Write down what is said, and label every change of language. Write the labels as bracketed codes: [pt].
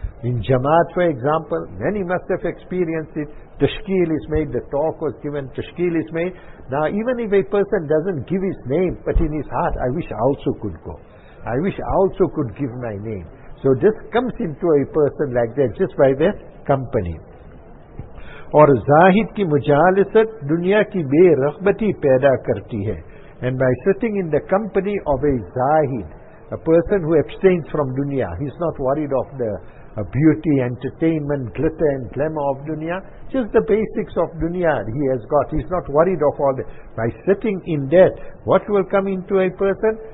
[en] In Jamaat, for example, many must have experienced it. Tashkil is made, the talk was given, tashkil is made. Now, even if a person doesn't give his name, but in his heart, I wish I also could go. I wish I also could give my name. So this comes into a person like that, just by their company. [ur] اور زاہد کی مجالست دنیا کی بے رغبتی پیدا کرتی ہے. [en] And by sitting in the company of a zahid, a person who abstains from dunya, he's not worried of the beauty, entertainment, glitter and glamour of dunya, just the basics of dunya he has got, he's not worried of all that. By sitting in that, what will come into a person?